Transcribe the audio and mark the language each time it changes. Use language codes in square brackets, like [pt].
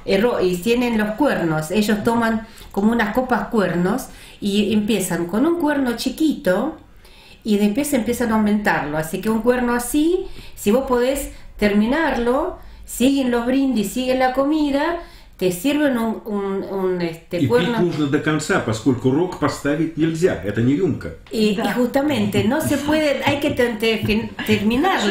[es] Y tienen los cuernos, ellos toman como unas copas cuernos, y empiezan con un cuerno chiquito, y después empiezan a aumentarlo. Así que un cuerno así, si vos podés terminarlo, siguen los brindis, siguen la comida... Te sirven un y cuerno... [ru] Y пить нужно до конца, поскольку рог поставить нельзя, это не рюмка. [es] И justamente, no se puede, hay que terminarlo.